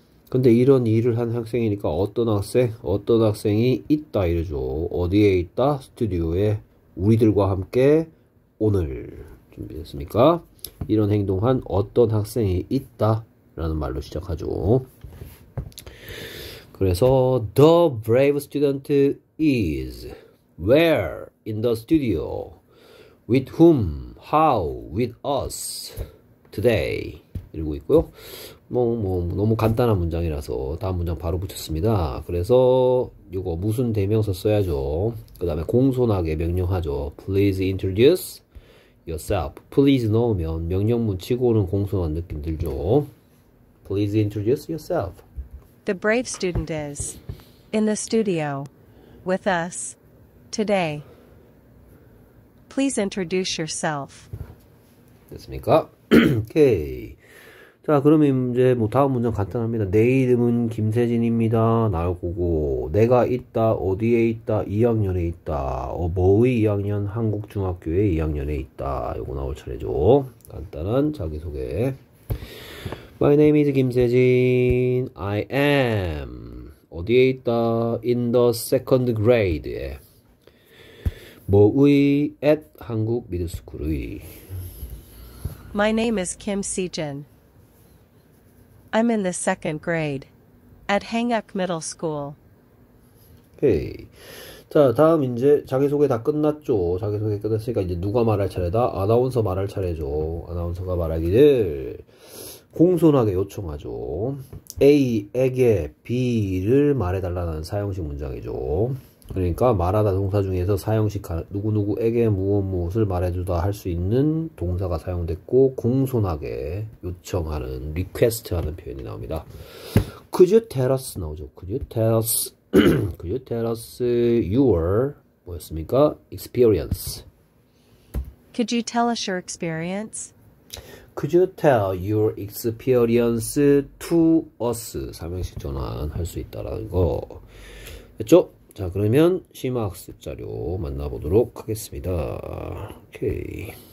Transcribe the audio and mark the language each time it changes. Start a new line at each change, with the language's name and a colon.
Korean: 근데 이런 일을 한 학생이니까 어떤 학생? 어떤 학생이 있다 이러죠. 어디에 있다? 스튜디오에 우리들과 함께 오늘 준비했습니까? 이런 행동한 어떤 학생이 있다라는 말로 시작하죠.
English: 그래서 The brave student is where in the studio with whom how with us today 이러고 있고요.
Korean: 너무 간단한 문장이라서 다음 문장 바로 붙였습니다. 그래서 이거 무슨 대명사 써야죠. 그 다음에 공손하게 명령하죠.
English: Please introduce yourself.
Korean: Please 넣으면 명령문 치고는 공손한 느낌 들죠.
English: Please introduce yourself. The brave student is in the studio with us today. Please introduce yourself.
Korean: 됐습니까? 오케이. 자, 그러면 이제 뭐 다음 문장 간단합니다. 내 이름은 김세진입니다. 나올 거고. 내가 있다. 어디에 있다. 2학년에 있다. 뭐의 2학년? 한국 중학교에 2학년에 있다. 요거 나올 차례죠. 간단한 자기소개.
English: My name is 김세진. I am. 어디에 있다? In the second grade. 뭐의?
Korean: At 한국 미드스쿨의.
English: My name is Kim Sejin. I'm in the second grade at Hanguk Middle School.
Korean: 오케이. 자, 다음 이제 자기소개 다 끝났죠. 자기소개 끝났으니까 이제 누가 말할 차례다? 아나운서 말할 차례죠. 아나운서가 말하기를 공손하게 요청하죠. A에게 B를 말해달라는 사형식 문장이죠. 그러니까 말하다 동사 중에서 사형식 누구누구에게 무엇무엇을 말해주다 할수 있는 동사가 사용됐고 공손하게 요청하는 리퀘스트하는 표현이 나옵니다.
English: Could you tell us 나오죠? Could you tell us your 뭐였습니까? Experience. Could you tell us your experience? Could you tell your experience to us?
Korean: 삼형식 전환 할수 있다라는 거. 됐죠? 자, 그러면 심화학습 자료 만나보도록 하겠습니다. 오케이.